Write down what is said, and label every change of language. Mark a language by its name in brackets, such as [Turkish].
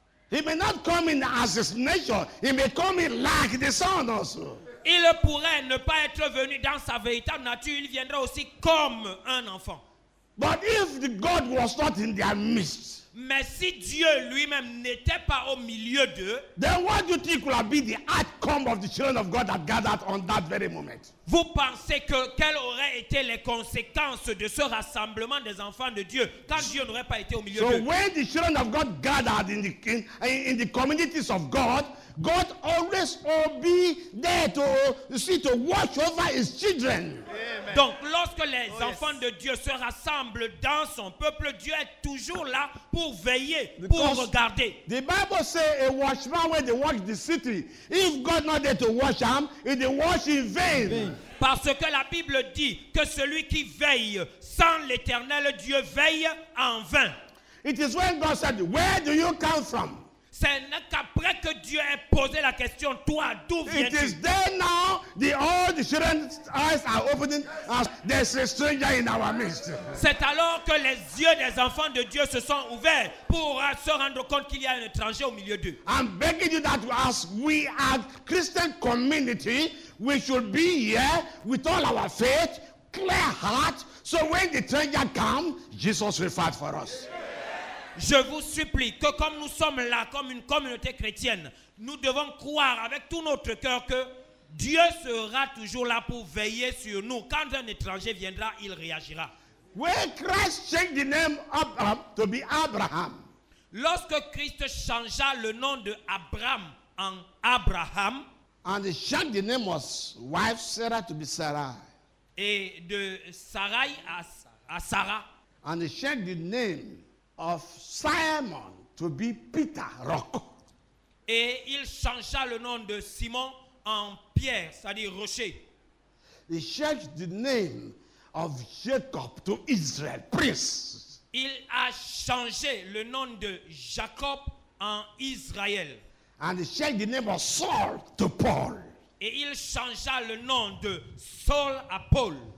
[English] He may not come in as his nature, he may come in like the sound also. [French] Il pourrait ne pas être venu dans sa véritable nature, il viendra aussi comme un enfant. [English] But if the God was not in their midst, [French] mais si Dieu lui-même n'était pas au milieu d'eux, [English] then what do you think will be the outcome of the children of God that gathered on that very moment? [French] Vous pensez que quelles auraient été les conséquences de ce rassemblement des enfants de Dieu quand Dieu n'aurait pas été au milieu d'eux? [English] So when the children of God gathered in the communities of God, God always will be there to watch over his children. Amen. [French] Donc lorsque les enfants de Dieu se rassemblent dans son peuple, Dieu est toujours là pour pour veiller, pour regarder. [English] The Bible says a watchman when they watch the city, if God not there to watch him, if they watch in vain. [French] Parce que la Bible dit que celui qui veille sans l'Éternel Dieu veille en vain. [English] It is when God said, "Where do you come from?" [French] Ce n'est qu'après que Dieu ait posé la question, toi, d'où viens-tu? [English] It is there now. The old children's eyes are opening. There's a stranger in our midst. [French] C'est alors que les yeux des enfants de Dieu se sont ouverts pour se rendre compte qu'il y a un étranger au milieu d'eux. [English] I'm begging you that as we are Christian community, we should be here with all our faith, clear heart, so when the stranger comes, Jesus will fight for us. [French] Je vous supplie que comme nous sommes là, comme une communauté chrétienne, nous devons croire avec tout notre cœur que Dieu sera toujours là pour veiller sur nous. Quand un étranger viendra, il réagira. [English] When Christ changed the name Abraham to be Abraham. [French] Lorsque Christ changea le nom de Abraham en Abraham, [English] and he changed the name of wife Sarah to be Sarah. [French] Et de Sarai à Sarah. [English] And he changed the name of Simon to be Peter Rock. [French] Et il changea le nom de Simon en Pierre, c'est-à-dire rocher. [English] He changed the name of Jacob to Israel Prince. [French] Il a changé le nom de Jacob en Israël. [English] And he changed the name of Saul to Paul. [French] Et il changea le nom de Saul à Paul.